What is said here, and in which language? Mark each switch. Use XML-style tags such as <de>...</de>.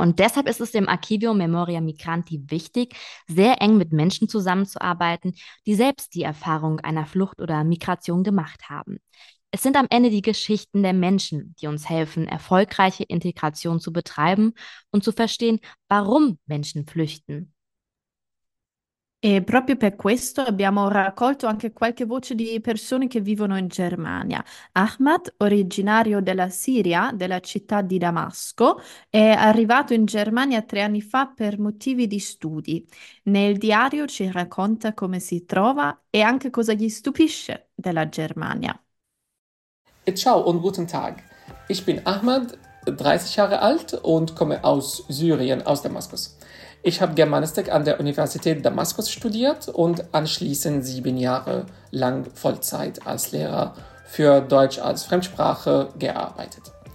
<de>Und deshalb ist es dem Archivio Memoria Migranti wichtig, sehr eng mit Menschen zusammenzuarbeiten, die selbst die Erfahrung einer Flucht oder Migration gemacht haben. Es sind am Ende die Geschichten der Menschen, die uns helfen, erfolgreiche Integration zu betreiben und zu verstehen, warum Menschen flüchten.</de> <it>E proprio per questo abbiamo raccolto anche qualche voce di persone che vivono in Germania. Ahmad, originario della Siria, della città di Damasco, è arrivato in Germania 3 anni fa per motivi di studi. Nel diario ci racconta come si trova e anche cosa gli stupisce della Germania. E ciao</it> <de>und guten Tag. Ich bin Ahmad, 30 Jahre alt und komme aus Syrien, aus Damaskus. Ich habe Germanistik an der Universität Damaskus studiert und anschließend 7 Jahre lang Vollzeit als Lehrer für Deutsch als Fremdsprache gearbeitet.</de>